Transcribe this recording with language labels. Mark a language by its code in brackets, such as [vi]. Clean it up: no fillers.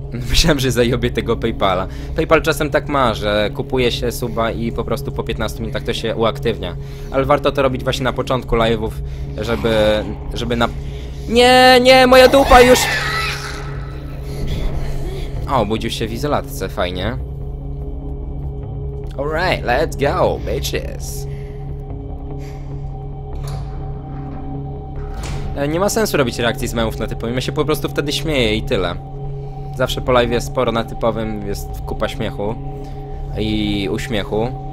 [pl] Myślałem, że zajobię tego PayPala. PayPal czasem tak ma, że kupuje się suba i po prostu po 15 minutach to się uaktywnia. Ale warto to robić właśnie na początku live'ów, żeby na... Nie, nie, moja dupa już! O, obudził się w izolatce, fajnie. [en] Alright, let's go, bitches! [pl] Nie ma sensu robić reakcji z memów na typowym, ja się po prostu wtedy śmieję i tyle. Zawsze po live jest sporo na typowym, jest kupa śmiechu. I uśmiechu.